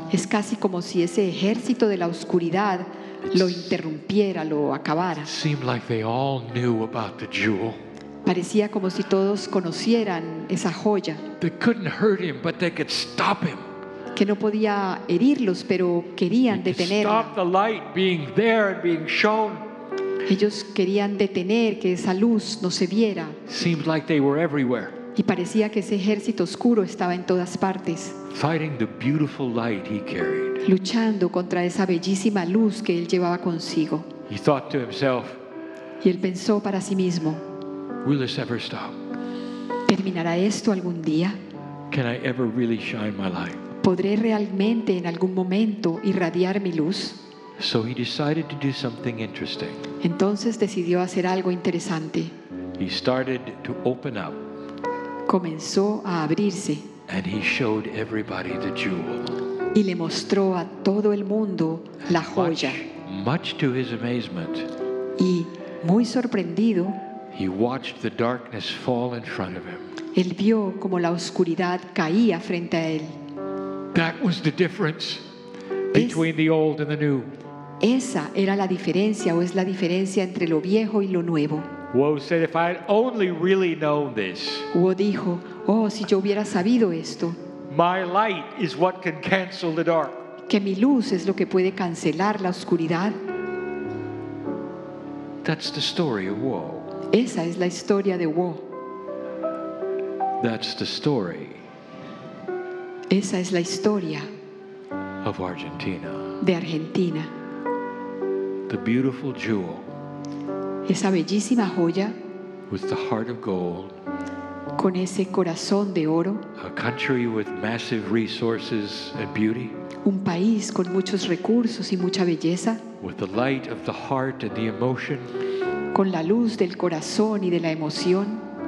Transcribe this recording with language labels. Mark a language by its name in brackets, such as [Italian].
[Spanish] Es casi como si ese ejército de la oscuridad lo interrumpiera, lo acabara. [English] It seemed like they all knew about the jewel. [Spanish] Parecía como si todos conocieran esa joya. [English] They couldn't hurt him, but they could stop him. [Spanish] Que no podía herirlos, pero querían detenerlo. [English] Stop the light being there and being shown. [Spanish] Ellos querían detener que esa luz no se viera. [English] Seemed like they were everywhere. [Spanish] Y parecía que ese ejército oscuro estaba en todas partes. [English] Fighting the beautiful light he carried. [Spanish] Luchando contra esa bellísima luz que él llevaba consigo. [English] He thought to himself. [Spanish] Y él pensó para sí mismo. [English] Will this ever stop? [Spanish] ¿Terminará esto algún día? [English] Can I ever really shine my light? [Spanish] ¿Podré realmente en algún momento irradiar mi luz? [English] So he decided to do something interesting. [Spanish] Entonces decidió hacer algo interesante. [English] He started to open up. [Spanish] Comenzó a abrirse. [English] And he showed everybody the jewel. [Spanish] Y le mostró a todo el mundo la joya. [English] Much to his amazement. [Spanish] Y muy sorprendido, [English] he watched the darkness fall in front of him. [Spanish] Él vio como la oscuridad caía frente a él. [English] That was the difference between the old and the new. [Spanish] Esa era la diferencia, o es la diferencia entre lo viejo y lo nuevo. [English] Wu said, "If I had only really known this." [Spanish] Wu dijo, "Oh, si yo hubiera sabido esto." [English] My light is what can cancel the dark. [Spanish] Que mi luz es lo que puede cancelar la oscuridad. [English] That's the story of Wu. [Spanish] Esa es la historia de Wu. [English] That's the story. [Spanish] Esa es la historia [English] of Argentina. [Spanish] De Argentina. [English] The beautiful jewel. [Spanish] Esa bellísima joya. [English] With the heart of gold. [Spanish] Con ese corazón de oro. [English] A country with massive resources and beauty. [Spanish] Un país con muchos recursos y mucha belleza. [English] With the light of the heart and the emotion. [Spanish] Con la luz del corazón y de la emoción.